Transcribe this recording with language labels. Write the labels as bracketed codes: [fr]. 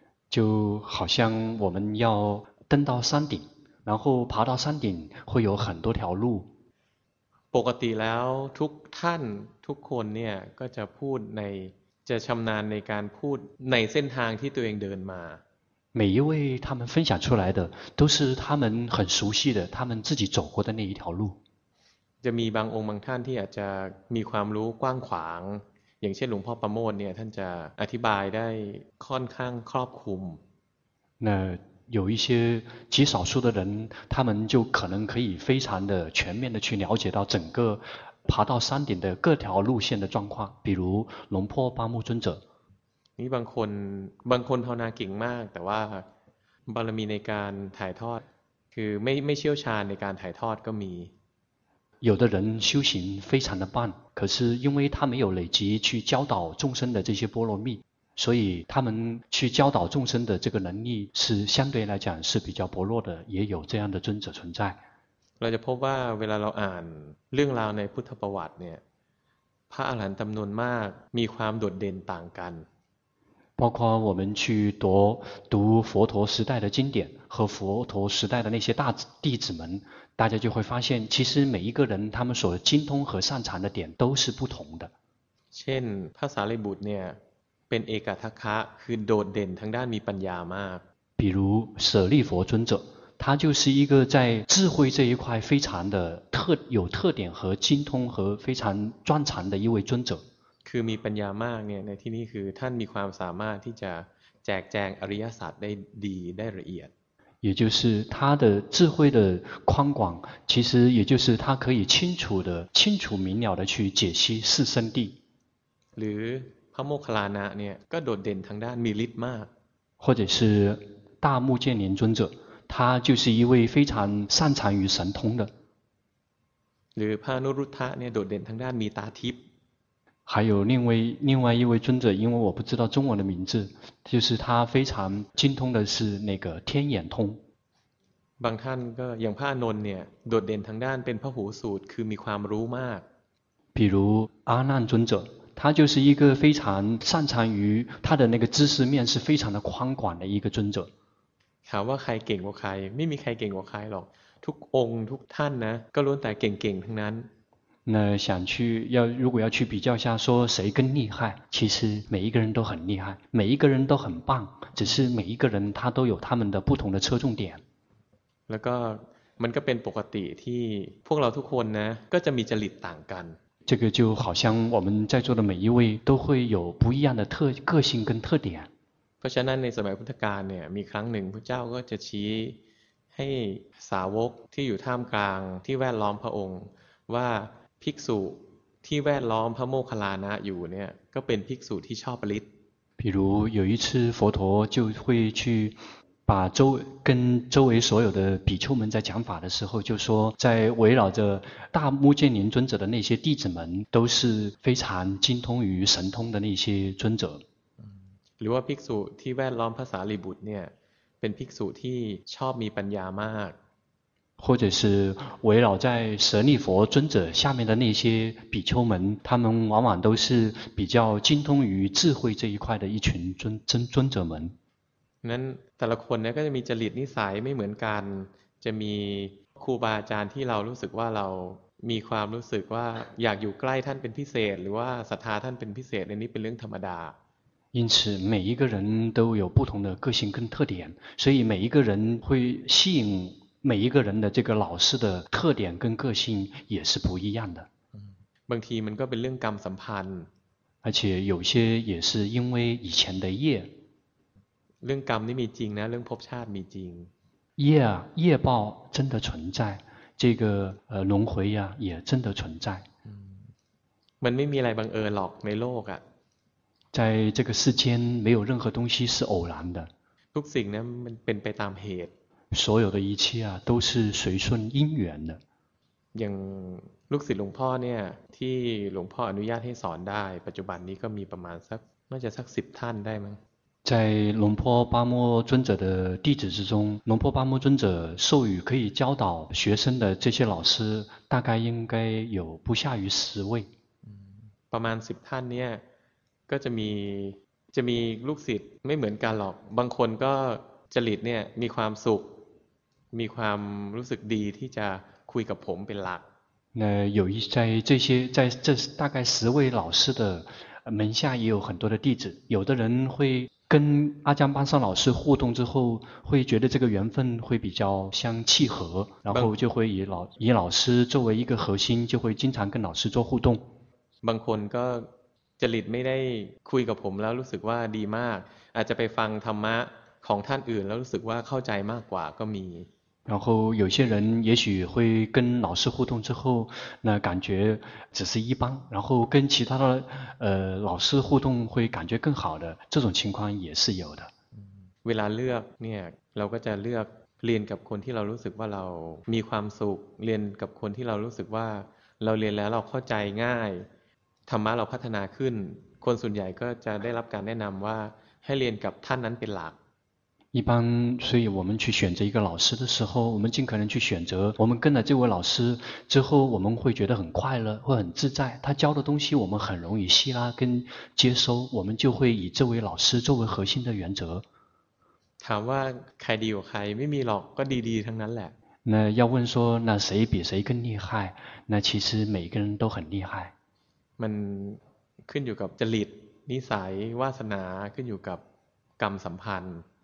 [zh] 就好像我们要登到山顶然后爬到山顶会有很多条路 [th] ปกติแล้วทุกท่านทุกคนเนี่ยก็จะพูดในจะชำนาญในการพูดในเส้นทางที่ตัวเองเดินมา [zh] 每一位他们分享出来的都是他们很熟悉的他们自己走过的那一条路 [th] จะมีบางองค์บางท่านที่อาจจะมีความรู้กว้างขวางอย่างเช่นหลวงพ่อประโมทเนี่ยท่านจะอธิบายได้ค่อนข้างครอบคลุม [zh] 那有一些极少数的人他们就可能可以非常的全面的去了解到整个爬到山顶的各条路线的状况比如龙破八木尊者 [th] นี่บางคนภาวนาเก่งมากแต่ว่าบารมีในการถ่ายทอดคือไม่เชี่ยวชาญในการถ่ายทอดก็มี [zh] 有的人修行非常的棒可是因为他没有累积去教导众生的这些波罗蜜所以他们去教导众生的这个能力是相对来讲是比较薄弱的也有这样的尊者存在 [th] เราจะพบว่าเวลาเราอ่านเรื่องราวในพุทธประวัติเนี่ยพระอรหันต์จำนวนมากมีความโดดเด่นต่างกัน [zh] 包括我们去读佛陀时代的经典和佛陀时代的那些大弟子们大家就会发现其实每一个人他们所精通和擅长的点都是不同的 [th] เช่นพระสารีบุตรเนี่ยเป็นเอกทัคคะคือโดดเด่นทางด้านมีปัญญามาก [zh] 比如舍利佛尊者他就是一个在智慧这一块非常的有特点和精通和非常专长的一位尊者 [th] คือมีปัญญามากเนี่ยในที่นี้คือท่านมีความสามารถที่จะแจกแจงอริยสัจได้ดีได้ละเอียด [zh] 也就是他的智慧的宽广其实也就是他可以清楚的清楚明了的去解析四圣谛 [th] หรือพระโมคคัลลานะเนี่ยก็โดดเด่นทางด้านมีฤทธิ์มาก [zh] 或者是大目犍连尊者他就是一位非常擅长于神通的 [th] หรือพระอนุรุทธะเนี่ยโดดเด่นทางด้านมีตาทิพย์ [zh] 还有另外一位尊者，因为我不知道中文的名字，就是他非常精通的是那个天眼通。 [th] บางท่านก็อย่างพระอานนท์เนี่ยโดดเด่นทางด้านเป็นพระหูสูตรคือมีความรู้มาก。 [zh] 比如阿难尊者，他就是一个非常擅长于他的那个知识面是非常的宽广的一个尊者。 [th] ถามว่าใครเก่งกว่าใครไม่มีใครเก่งกว่าใครหรอกทุกองค์ทุกท่านนะก็ล้วนแต่เก่งๆทั้งนั้น。 [zh] 那想去要如果要去比较一下说谁更厉害其实每一个人都很厉害每一个人都很棒只是每一个人他都有他们的不同的侧重点 [th] แล้วก็มันก็เป็นปกติที่พวกเราทุกคนนะก็จะมีจริตต่างกัน [zh] 这个就好像我们在座的每一位都会有不一样的个性跟特点 [th] เพราะฉะนั้นในสมัยพุทธกาลเนี่ยมีครั้งหนึ่งพระเจ้าก็จะชี้ให้สาวกที่อยู่ท่ามกลางที่แวดล้อมพระองค์ว่าภิกษุที่แวดล้อมพระโมคคัลลานะอยู่เนี่ยก็เป็นภิกษุที่ชอบปริศ [zh] 比如有一次佛陀就会去把周跟周围所有的比丘们在讲法的时候就说在围绕着大目犍连尊者的那些弟子们都是非常精通于神通的那些尊者 [th] หรือว่าภิกษุที่แวดล้อมพระสารีบุตรเนี่ยเป็นภิกษุที่ชอบมีปัญญามาก [zh] 或者是围绕在舍利佛尊者下面的那些比丘们，他们往往都是比较精通于智慧这一块的一群尊者们。 [th] นั้นแต่ละคนเนี่ยก็จะมีจริตนิสัยไม่เหมือนกันจะมีครูบาอาจารย์ที่เรารู้สึกว่าเรามีความรู้สึกว่าอยากอยู่ใกล้ท่านเป็นพิเศษหรือว่าศรัทธาท่านเป็นพิเศษอันนี้เป็นเรื่องธรรมดา [zh] 因此每一个人都有不同的个性跟特点所以每一个人会吸引每一个人的这个老师的特点跟个性也是不一样的。 [th] บางทีมันก็เป็นเรื่องกรรมสัมพันธ์。 [zh] 而且有些也是因为以前的业。 [th] เรื่องกรรมนี่มีจริงนะเรื่องภพชาติมีจริง。 [zh] 业报真的存在，这个轮回呀也真的存在。 [th] มันไม่มีอะไรบังเอิญหรอกในโลกอ่ะ。 [zh] 在这个世间没有任何东西是偶然的。 [th] ทุกสิ่งนะมันเป็นไปตามเหตุ。 [zh] 所有的一切啊都是随顺因缘的 [th] อย่างลูกศิษย์หลวงพ่อเนี่ยที่หลวงพ่ออนุญาตให้สอนได้ปัจจุบันนี้ก็มีประมาณสักน่าจะสัก10ท่านได้มั้ง [zh] 在龙坡巴莫尊者的弟子之中龙坡巴莫尊者授予可以教导学生的这些老师大概应该有不下于10位 [th] ประมาณ10ท่านเนี่ยก็จะมีลูกศิษย์ไม่เหมือนกันหรอกบางคนก็จริตเนี่ยมีความสุขมีความรู้สึกดีที่จะคุยกับผมเป็นหลัก [zh] 那有一在这些在这大概十位老师的门下也有很多的弟子有的人会跟阿江班上老师互动之后会觉得这个缘分会比较相契合然后就会以老师作为一个核心就会经常跟老师做互动 [th] บางคนก็จริตไม่ได้คุยกับผมแล้วรู้สึกว่าดีมากอาจจะไปฟังธรรมะของท่านอื่นแล้วรู้สึกว่าเข้าใจมากกว่าก็มี [zh] 然后有些人也许会跟老师互动之后那感觉只是一般然后跟其他的老师互动会感觉更好的这种情况也是有的 [th] เวลาเลือกเนี่ยเราก็จะเลือกเรียนกับคนที่เรารู้สึกว่าเรามีความสุขเรียนกับคนที่เรารู้สึกว่าเราเรียนแล้วเราเข้าใจง่ายธรรมะเราพัฒนาขึ้นคนส่วนใหญ่ก็จะได้รับการแนะนำว่าให้เรียนกับท่านนั้นเป็นหลัก [zh] 一般所以我们去选择一个老师的时候我们尽可能去选择我们跟了这位老师之后我们会觉得很快乐会很自在他教的东西我们很容易吸纳跟接收我们就会以这位老师作为核心的原则 [th] ถามว่าใครดีกว่าใครไม่มีหรอกก็ดีๆทั้งนั้นแหละ [zh] 那要问说那谁比谁更厉害那其实每个人都很厉害 [th] มันขึ้นอยู่กับจริตนิสัยวาสนาขึ้นอยู่กับกรรมสัมพันธ์